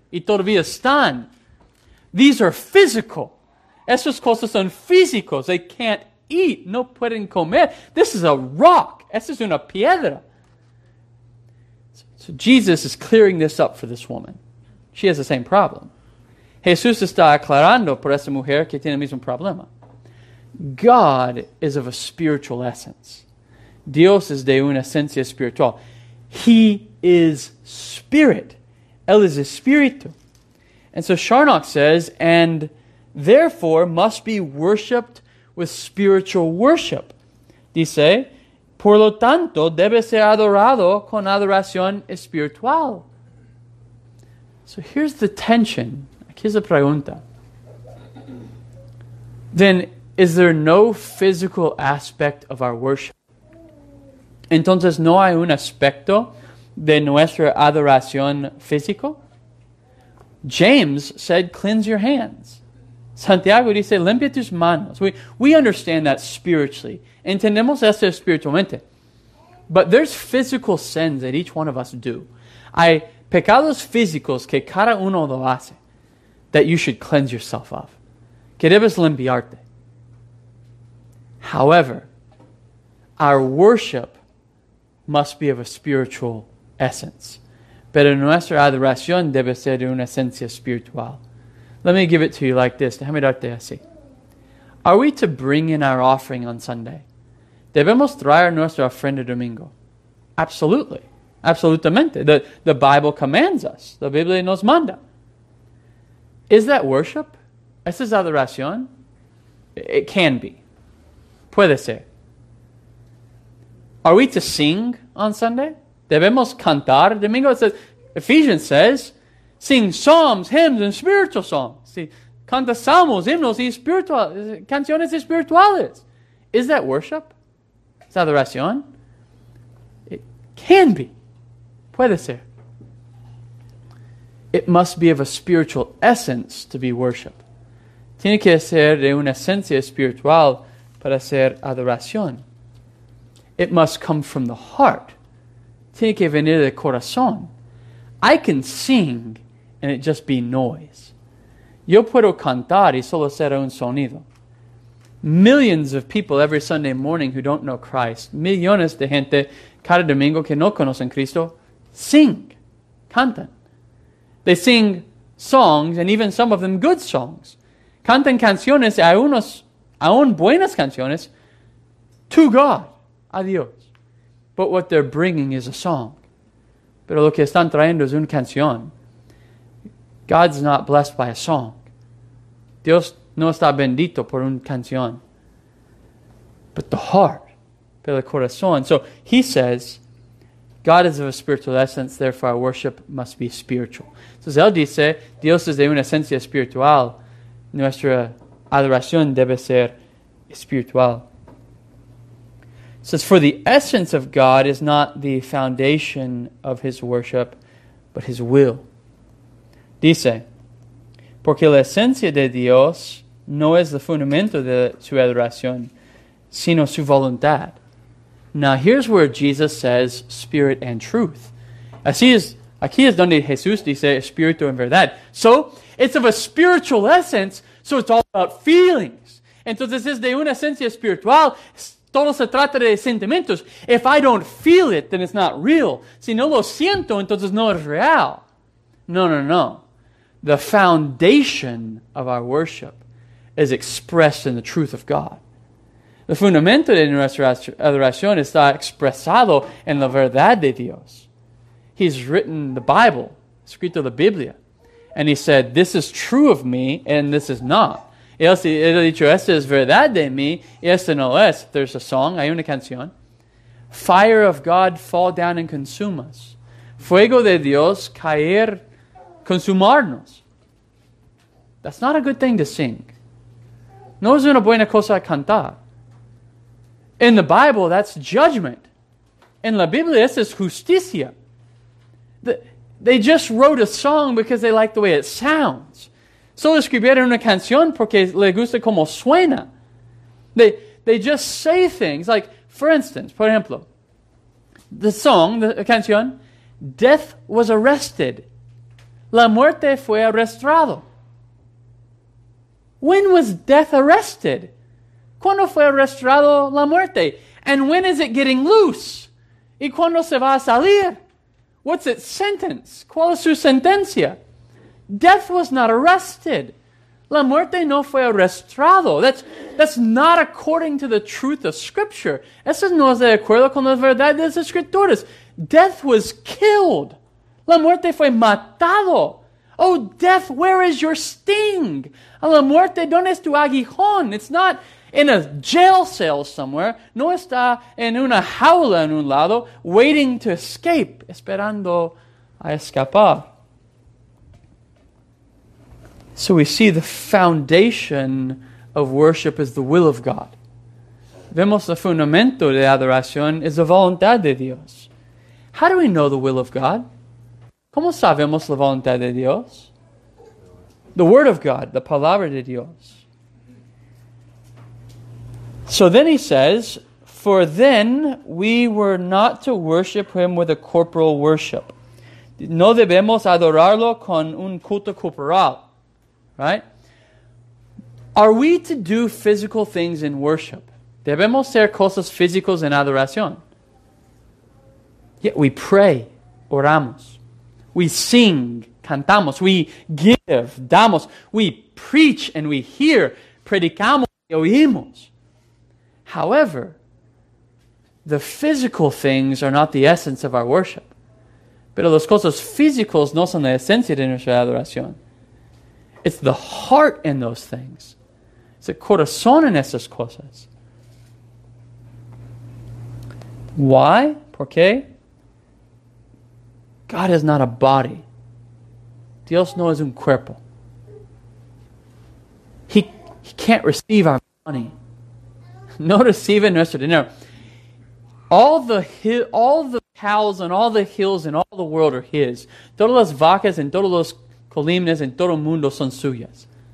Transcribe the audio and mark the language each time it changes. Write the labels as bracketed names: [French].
[Spanish] Y todavía están. [English] These are physical. [Spanish] Esos cosas son físicos. [English] They can't eat. [Spanish] No pueden comer. [English] This is a rock. [Spanish] Esa es una piedra. [English] So Jesus is clearing this up for this woman. She has the same problem. [Spanish] Jesús está aclarando por esa mujer que tiene el mismo problema. [English] God is of a spiritual essence. [Spanish] Dios es de una esencia espiritual. [English] He is spirit. [Spanish] Él es espíritu. [English] And so Charnock says, and therefore must be worshipped with spiritual worship. [Spanish] Dice, por lo tanto, debe ser adorado con adoración espiritual. [English] So here's the tension. [Spanish] Aquí es la pregunta. [English] Then, is there no physical aspect of our worship? [Spanish] Entonces, ¿no hay un aspecto de nuestra adoración físico? [English] James said, cleanse your hands. [Spanish] Santiago dice, limpia tus manos. [English] We understand that spiritually. [Spanish] Entendemos eso espiritualmente. [English] But there's physical sins that each one of us do. [Spanish] Hay pecados físicos que cada uno lo hace [English] that you should cleanse yourself of. [Spanish] Que debes limpiarte. [English] However, our worship must be of a spiritual essence. [Spanish] Pero nuestra adoración debe ser de una esencia espiritual. [English] Let me give it to you like this. [Spanish] Déjame darte así. [English] Are we to bring in our offering on Sunday? [Spanish] ¿Debemos traer nuestra ofrenda domingo? [English] Absolutely. [Spanish] Absolutamente. [English] The Bible commands us. [Spanish] La Biblia nos manda. [English] Is that worship? [Spanish] ¿Esa es adoración? [English] It can be. [Spanish] Puede ser. [English] Are we to sing on Sunday? [Spanish] ¿Debemos cantar domingo? [English] It says, Ephesians says, sing psalms, hymns, and spiritual songs. [Spanish] See, canta salmos, himnos, y canciones espirituales. [English] Is that worship? [Spanish] ¿Es adoración? [English] It can be. [Spanish] Puede ser. [English] It must be of a spiritual essence to be worship. [Spanish] Tiene que ser de una esencia espiritual para ser adoración. [English] It must come from the heart. [Spanish] Tiene que venir del corazón. [English] I can sing and it just be noise. [Spanish] Yo puedo cantar y solo ser un sonido. [English] Millions of people every Sunday morning who don't know Christ, [Spanish] millones de gente cada domingo que no conocen Cristo, [English] sing, [Spanish] cantan. [English] They sing songs and even some of them good songs. [Spanish] Cantan canciones, aún buenas canciones, [English] to God, [Spanish] a Dios. [English] But what they're bringing is a song. [Spanish] Pero lo que están trayendo es una canción. [English] God's not blessed by a song. [Spanish] Dios no está bendito por una canción. [English] But the heart, [Spanish] por el corazón. [English] So he says, God is of a spiritual essence, therefore our worship must be spiritual. [Spanish] So él dice, Dios es de una esencia espiritual. Nuestra adoración debe ser espiritual. [English] It says, for the essence of God is not the foundation of his worship, but his will. [Spanish] Dice, porque la esencia de Dios no es el fundamento de su adoración, sino su voluntad. [English] Now, here's where Jesus says spirit and truth. [Spanish] Aquí es donde Jesús dice espíritu en verdad. [English] So, it's of a spiritual essence, so it's all about feelings. [Spanish] Entonces, es de una esencia espiritual. Todo se trata de sentimientos. [English] If I don't feel it, then it's not real. [Spanish] Si no lo siento, entonces no es real. No, no, no. [English] the foundation of our worship is expressed in the truth of God. [Spanish] El fundamento de nuestra adoración está expresado en la verdad de Dios. [English] He's written the Bible, [Spanish] escrito la Biblia. [English] And he said, this is true of me, and this is not. [Spanish] Él ha dicho, esta es verdad de mí, y esta no es. [English] There's a song, [Spanish] hay una canción. [English] Fire of God, fall down and consume us. [Spanish] Fuego de Dios, caer, consumarnos. [English] That's not a good thing to sing. [Spanish] No es una buena cosa a cantar. In the Bible, that's judgment. In la Biblia, esa es justicia. [English] They just wrote a song because they like the way it sounds. [Spanish] Solo escribieron una canción porque le gusta como suena. [English] They just say things like, for instance, [Spanish] por ejemplo, [English] the song, the canción, death was arrested. [Spanish] La muerte fue arrestado. [English] When was death arrested? [Spanish] ¿Cuándo fue arrestado la muerte? [English] And when is it getting loose? [Spanish] ¿Y cuándo se va a salir? [English] What's its sentence? [Spanish] ¿Cuál es su sentencia? [English] Death was not arrested. [Spanish] La muerte no fue arrestado. [English] That's not according to the truth of Scripture. [Spanish] Eso no es de acuerdo con la verdad de las Escrituras. [English] Death was killed. [Spanish] La muerte fue matado. [English] Oh, death, where is your sting? [Spanish] A la muerte, ¿dónde es tu aguijón? [English] It's not in a jail cell somewhere. [Spanish] No está en una jaula en un lado, [English] waiting to escape, [Spanish] esperando a escapar. [English] So we see the foundation of worship is the will of God. [Spanish] Vemos el fundamento de adoración es la voluntad de Dios. [English] How do we know the will of God? [Spanish] ¿Cómo sabemos la voluntad de Dios? [English] The Word of God, the [Spanish] Palabra de Dios. [English] So then he says, for then we were not to worship him with a corporal worship. [Spanish] No debemos adorarlo con un culto corporal. [English] Right? Are we to do physical things in worship? [Spanish] Debemos ser cosas físicas en adoración. [English] Yet we pray, [Spanish] oramos. [English] We sing, [Spanish] cantamos. [English] We give, [Spanish] damos. [English] We preach and we hear, [Spanish] predicamos y oímos. [English] However, the physical things are not the essence of our worship. [Spanish] Pero las cosas físicas no son la esencia de nuestra adoración. [English] It's the heart in those things. [Spanish] Es el corazón en esas cosas. [English] Why? [Spanish] ¿Por qué? [English] God is not a body. [Spanish] Dios no es un cuerpo. [English] He can't receive our money. [Spanish] No recibe nuestro dinero. [English] All the cows and all the hills and all the world are His. [Spanish] Todas las vacas and todos los colinas en todo el mundo son suyas.